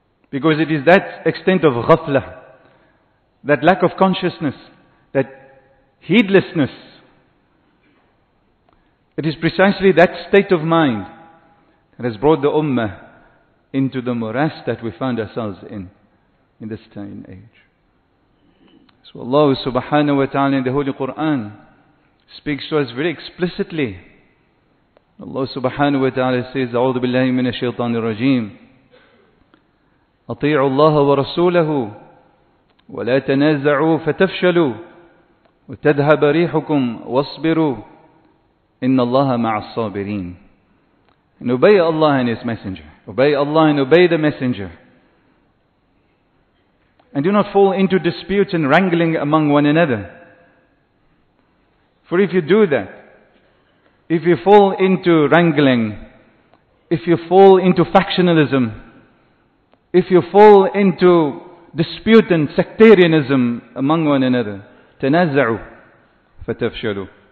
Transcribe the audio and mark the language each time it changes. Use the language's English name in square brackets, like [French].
[English] Because it is that extent of ghafla, that lack of consciousness, that heedlessness, it is precisely that state of mind that has brought the Ummah into the morass that we found ourselves in this time and age. So Allah subhanahu wa ta'ala in the Holy Quran speaks to us very explicitly. Allah subhanahu wa ta'ala says, [Arabic] أعوذ بالله من الشيطان الرجيم أطيعوا الله ورسوله ولا تنازعوا فتفشلوا وتذهب ريحكم واصبروا إن الله مع الصابرين. [English] And obey Allah and His Messenger. Obey Allah and obey the Messenger. And do not fall into disputes and wrangling among one another. For if you do that, if you fall into wrangling, if you fall into factionalism, if you fall into dispute and sectarianism among one another, [Arabic] تَنَزَّعُوا فَتَفْشَلُوا.